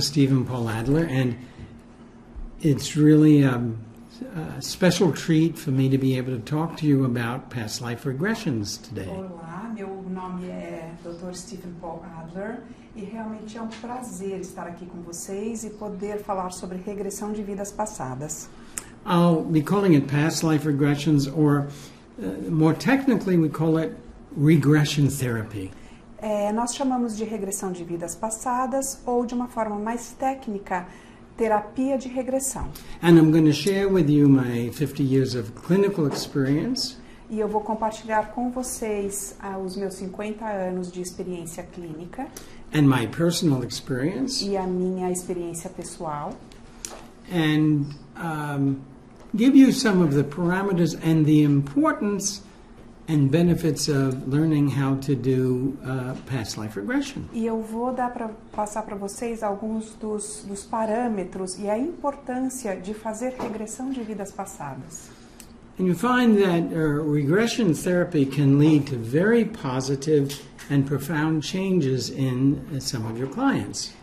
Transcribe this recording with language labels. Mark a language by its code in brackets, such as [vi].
[en] Stephen Paul Adler, and it's really a special treat for me to be able to talk to you about past life regressions today. [pt] Olá, meu nome é Dr. Stephen Paul Adler, e realmente é um prazer estar aqui com vocês e poder falar sobre regressão de vidas passadas. [en] I'll be calling it past life regressions, or more technically, we call it regression therapy. [pt] Nós chamamos de regressão de vidas passadas ou, de uma forma mais técnica, terapia de regressão. [en] And I'm going to share with you my 50 years of clinical experience. [pt] E eu vou compartilhar com vocês os meus 50 anos de experiência clínica. [en] And my personal experience. [pt] E a minha experiência pessoal. [en] And give you some of the parameters and the importance and benefits of learning how to do past life regression. [pt] E eu vou passar para vocês alguns dos parâmetros e a importância de fazer regressão de vidas passadas. [en] And you find that regression therapy can lead to very positive and profound changes in some of your clients.